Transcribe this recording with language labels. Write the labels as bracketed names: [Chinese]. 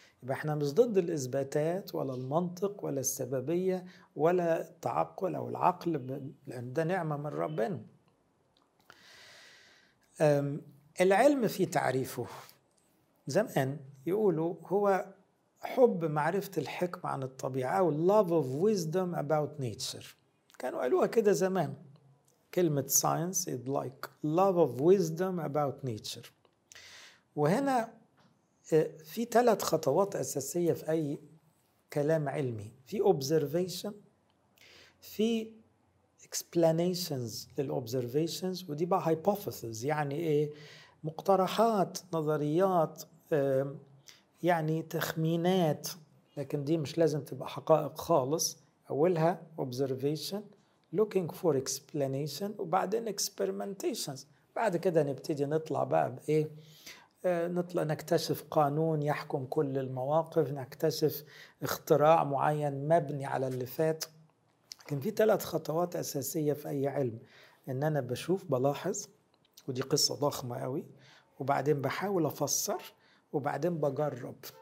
[Arabic] يبقى احنا مش ضد الإثباتات ولا المنطق ولا السببية ولا التعقل أو العقل، لأن ده نعمة من ربنا. العلم في تعريفه زمان يقولوا هو حب معرفة الحكمة عن الطبيعة، أو [English] love of wisdom about nature. [Arabic] كانوا قالوها كده زمان، كلمة [English] science is like love of wisdom about nature. [Arabic] وهنا في ثلاث خطوات أساسية في أي كلام علمي: في observation، في explanations للobservations، ودي بقى hypothesis، يعني إيه؟ مقترحات، نظريات، يعني تخمينات، لكن دي مش لازم تبقى حقائق خالص. [English] أولها observation، looking for explanation، وبعدين experimentations. [Arabic] بعد كده نبتدي نطلع بقى بإيه؟ نطلع نكتشف قانون يحكم كل المواقف، نكتشف اختراع معين مبني على اللي فات. لكن في ثلاث خطوات أساسية في أي علم: إن أنا بشوف، بلاحظ، ودي قصة ضخمة قوي، وبعدين بحاول أفسر، وبعدين بجرب.